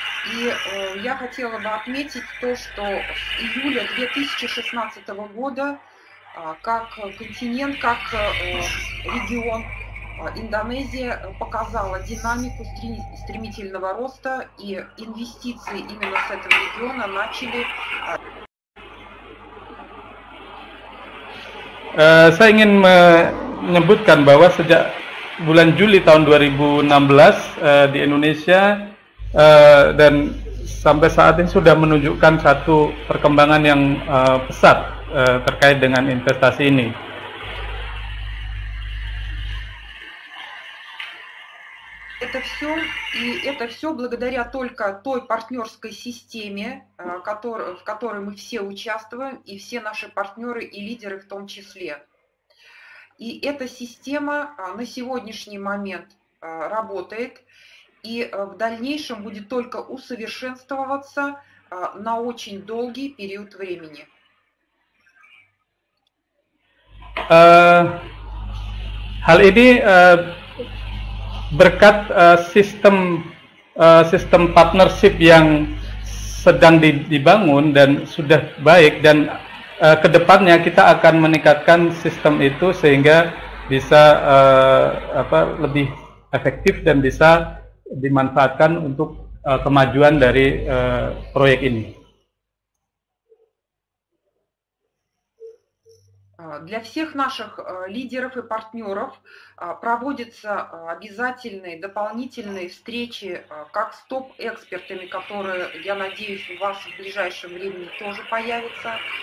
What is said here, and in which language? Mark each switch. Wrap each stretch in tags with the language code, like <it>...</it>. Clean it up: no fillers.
<ru>И я хотела бы отметить то, что с июля 2016 года как континент, как регион Индонезия показала динамику стремительного роста, и инвестиции именно с этого региона начали.</ru> <id>Saya ingin menyebutkan bahwa sejak bulan Juli tahun 2016 di Indonesia dan sampai saat ini sudah menunjukkan satu perkembangan yang pesat terkait dengan investasi ini.</id> <ru>И это все благодаря только той партнерской системе, в которой мы все участвуем, и все наши партнеры и лидеры в том числе. И эта система на сегодняшний момент работает, и в дальнейшем будет только усовершенствоваться на очень долгий период времени.</ru> <id>Hal ini berkat sistem partnership yang sedang dibangun dan sudah baik, dan kedepannya kita akan meningkatkan sistem itu sehingga bisa lebih efektif dan bisa dimanfaatkan untuk kemajuan dari proyek ini.</id> <ru>Для всех наших лидеров и партнеров проводятся обязательные дополнительные встречи как с топ-экспертами, которые, я надеюсь, у вас в ближайшем времени тоже появятся,</ru>